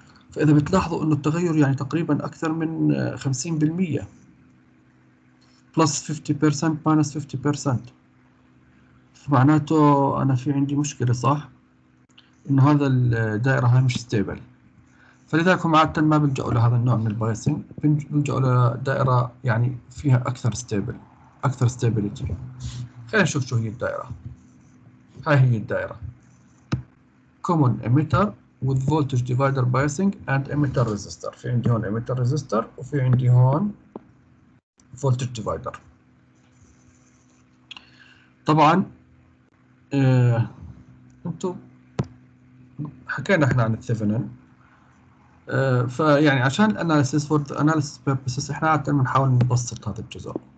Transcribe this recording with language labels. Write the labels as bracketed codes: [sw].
[ar] فاذا بتلاحظوا انه التغير يعني تقريبا اكثر من 50% بلس 50% ماينس 50%، فمعناته انا في عندي مشكله صح؟ انه هذا الدائره هاي مش ستيبل. فلذلك هم عادة ما بيلجأوا لهذا النوع من البايسنج، بيلجأوا لدائرة يعني فيها أكثر ستيبل، أكثر ستيبلتي. خلينا نشوف شو هي الدائرة. هاي هي الدائرة. [en] Common emitter with voltage divider biasing and emitter resistor. [ar] في عندي هون emitter resistor وفي عندي هون voltage divider. طبعاً أنتو حكينا إحنا عن الثيفنين. فيعني عشان الاناليسيس فور اناليسيس بيربسز احنا عاده بنحاول نبسط هذا الجزء.